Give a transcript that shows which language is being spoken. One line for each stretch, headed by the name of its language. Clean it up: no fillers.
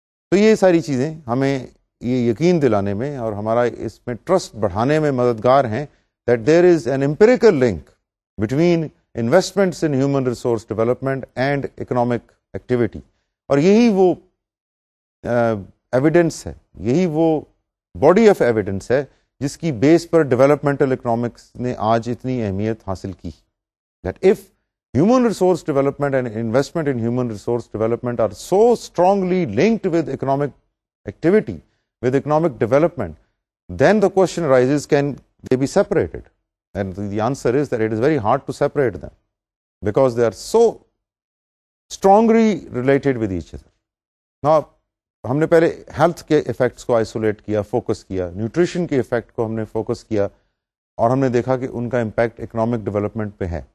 Urdu: تو یہ ساری چیزیں ہمیں یہ یقین دلانے میں اور ہمارا اس میں ٹرسٹ بڑھانے میں مددگار ہیں
English: That there is an empirical link between investments in human resource development and economic activity.
Urdu: اور یہی وہ ایویڈنس ہے, یہی وہ باڈی آف ایویڈنس ہے جس کی بیس پر ڈیولپمنٹل اکنامکس نے آج اتنی اہمیت حاصل کی.
English: That if human resource development and investment in human resource development are so strongly linked with economic activity, with economic development, then the question rises, can they be separated? And the answer is that it is very hard to separate them because they are so strongly related with each other.
Urdu: ہم نے پہلے health کے effects کو isolate کیا, focus کیا, nutrition کے effect کو ہم نے فوکس کیا اور ہم نے دیکھا کہ ان کا امپیکٹ اکنامک ڈیولپمنٹ پہ ہے.